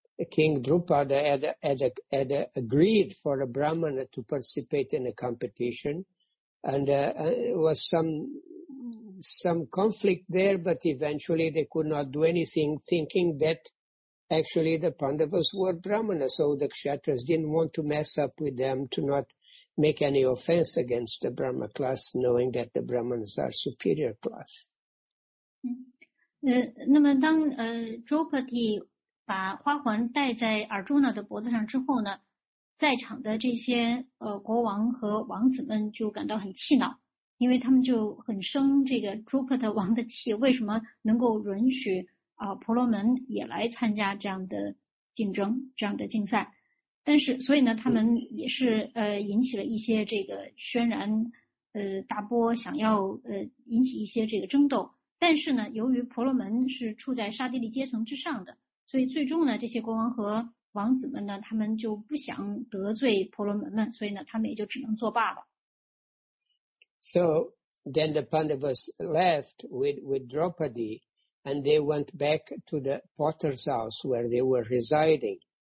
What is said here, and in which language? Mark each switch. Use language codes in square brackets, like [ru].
[en] King Draupada had agreed for a brahmana to participate in a competition, and was some conflict there, but eventually they could not do anything, thinking that actually the Pandavas were brahmana, so the kshatras didn't want to mess up with them to not make any offense against the brahma class, knowing that the brahmanas are superior class. [zh] 那么当Draupadi把花环戴在尔朱娜的脖子上之后呢，在场的这些国王和王子们就感到很气恼，因为他们就很生这个朱克特王的气，为什么能够允许婆罗门也来参加这样的竞争，这样的竞赛？但是所以呢，他们也是引起了一些这个轩然大波，想要引起一些这个争斗。但是呢，由于婆罗门是处在沙地利阶层之上的。所以最终呢，这些国王和王子们呢，他们就不想得罪婆罗门们，所以呢，他们也就只能作罢了。 [en] So then the Pandavas left with Draupadi, and they went back to the potter's house where they were residing.